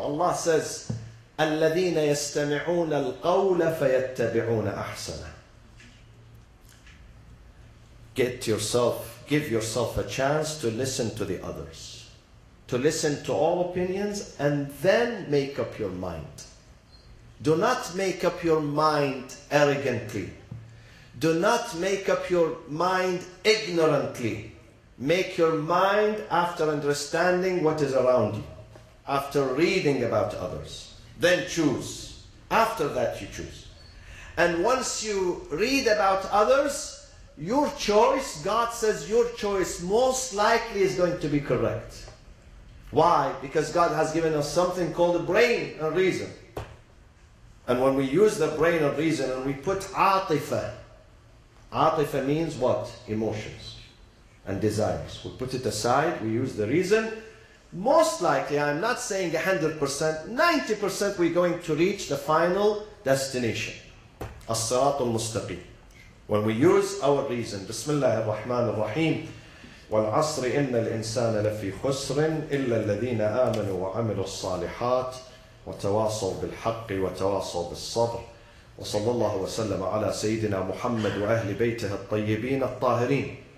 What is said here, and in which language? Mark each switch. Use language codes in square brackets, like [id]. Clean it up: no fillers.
[en] Allah says, [ar] الَّذِينَ يَسْتَمِعُونَ الْقَوْلَ فَيَتَّبِعُونَ أَحْسَنًا. [en] Get yourself, give yourself a chance to listen to the others. To listen to all opinions and then make up your mind. Do not make up your mind arrogantly. Do not make up your mind ignorantly. Make your mind after understanding what is around you, after reading about others. Then choose. After that you choose. And once you read about others, your choice, God says your choice most likely is going to be correct. Why? Because God has given us something called the brain and reason. And when we use the brain and reason and we put atifa, atifa means what? Emotions and desires. We put it aside, we use the reason. Most likely, I'm not saying 100%, 90% we're going to reach the final destination. As-sirat al-mustaqim. When we use our reason, [ar] Bismillah ar-Rahman ar-Rahim, والعصر إن الإنسان لفي خسر إلا الذين آمنوا وعملوا الصالحات وتواصوا بالحق وتواصوا بالصبر وصلى الله وسلم على سيدنا محمد وأهل بيته الطيبين الطاهرين.